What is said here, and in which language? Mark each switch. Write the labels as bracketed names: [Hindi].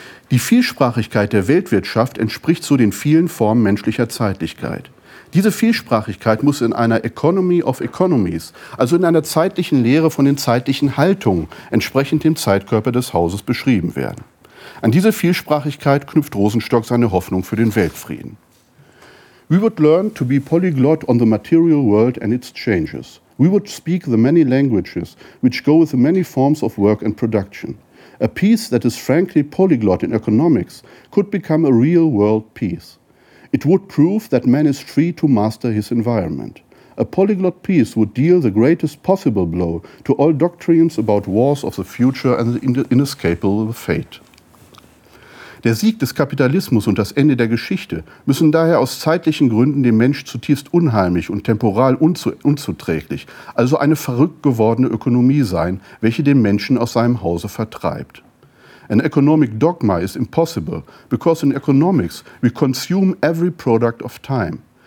[German] Die Vielsprachigkeit der Weltwirtschaft entspricht so den vielen Formen menschlicher Zeitlichkeit. Diese Vielsprachigkeit muss in einer Economy of Economies, also in einer zeitlichen Lehre von den zeitlichen Haltungen, entsprechend dem Zeitkörper des Hauses beschrieben werden. An diese Vielsprachigkeit knüpft Rosenstock seine Hoffnung für den Weltfrieden. [English] We would learn to be polyglot on the material world and its changes. We would speak the many languages which go with the many forms of work and production. A peace that is frankly polyglot in economics could become a real world peace. It would prove that man is free to master his environment. A polyglot peace would deal the greatest possible blow to all doctrines about wars of the future and the inescapable fate. [German] Der Sieg des Kapitalismus und das Ende der Geschichte müssen daher aus zeitlichen Gründen dem Mensch zutiefst unheimlich und temporal unzuträglich, also eine verrückt gewordene Ökonomie sein, welche den Menschen aus seinem Hause vertreibt. [English] An economic dogma is impossible, because in economics we consume every product of time.